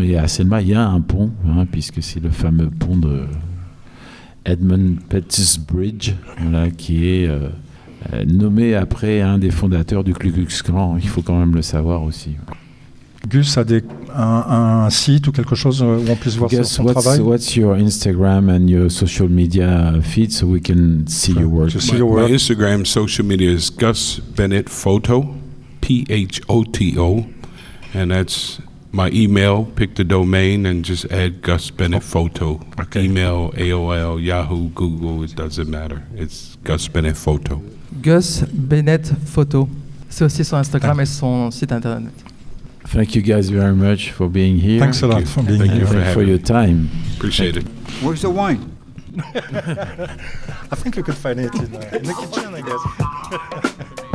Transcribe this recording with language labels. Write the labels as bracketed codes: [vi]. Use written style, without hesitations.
[fr] Et à Selma, il y a un pont, hein, puisque c'est le fameux pont de Edmund Pettus Bridge, voilà, qui est... nommé après un des fondateurs du Ku Klux Klan, il faut quand même le savoir aussi. Gus a un site ou quelque chose où on puisse voir son travail. [en] What's your Instagram and your social media feed so we can see your work? My Instagram social media is Gus Bennett Photo, Photo, and that's my email. Pick the domain and just add Gus Bennett Photo. Okay. Email, AOL, Yahoo, Google, it doesn't matter. It's Gus Bennett Photo. Gus Bennett Photo. [fr] C'est aussi son Instagram et son site internet. [en] Thank you guys very much for being here. Thanks a lot for being here. Thank you for your time. Appreciate it. Where's the wine? I think you could find it in the kitchen, I guess.